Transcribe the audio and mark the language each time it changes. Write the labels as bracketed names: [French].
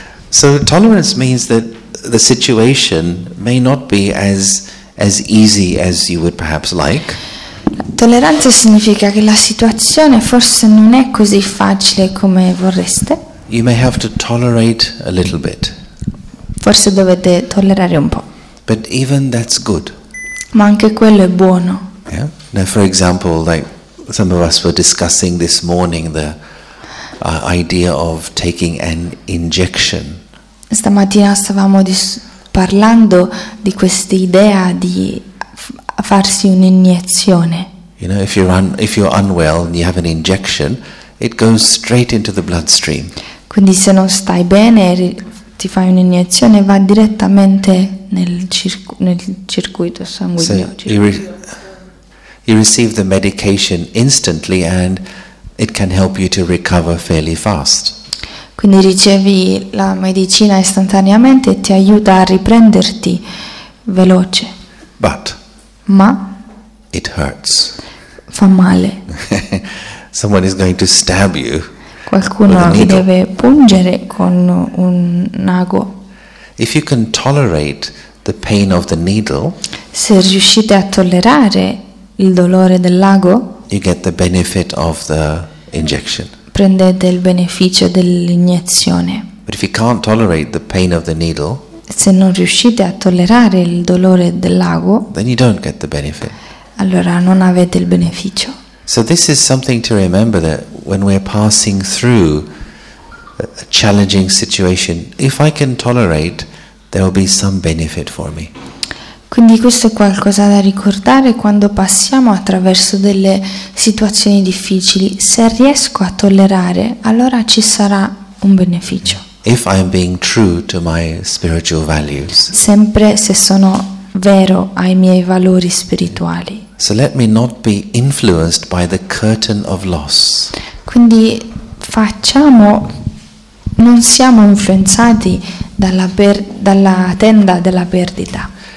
[English] So tolerance means that the situation may not be as easy as you would perhaps like. [Italian] Tolleranza significa che la situazione forse non è così facile come vorreste. [English] You may have to tolerate a little bit. [Italian] Forse dovete tollerare un po'. [English] But even that's good. [Italian] Ma anche quello è buono. [English] Yeah. Now, for example, like some of us were discussing this morning, the idea of taking an injection. [Italian] Stamattina stavamo parlando di questa idea di farsi un'iniezione. [English] You know, if you're unwell and you have an injection, it goes straight into the bloodstream. [Italian] Quindi se non stai bene, ti fai un'iniezione, va direttamente nel circuito sanguigno. [English] So you receive the medication instantly and it can help you to recover fairly fast. [Italian] Quindi ricevi la medicina istantaneamente e ti aiuta a riprenderti veloce. [English] But [Italian] ma [English] it hurts. [Italian] Fa male. [English] Someone is going to stab you. [Italian] Qualcuno ti deve pungere con un ago. [English] If you can tolerate the pain of the needle, [Italian] se riuscite a tollerare il dolore dell'ago, [English] you get the benefit of the injection. [Italian] Prendete il beneficio dell'iniezione. [English] But if you can't tolerate the pain of the needle, [Italian] se non riuscite a tollerare il dolore dell'ago, [English] then you don't get the benefit. [Italian] Allora non avete il beneficio. [English] So this is something to remember, that when we're passing through a challenging situation, if I can tolerate, there will be some benefit for me. [Italian] Quindi questo è qualcosa da ricordare quando passiamo attraverso delle situazioni difficili. Se riesco a tollerare, allora ci sarà un beneficio. [English] If I'm being true to my spiritual values. [Italian] Sempre se sono vero ai miei valori spirituali. [English] So let me not be influenced by the curtain of loss. [Italian] Quindi facciamo, non siamo influenzati dalla tenda della perdita.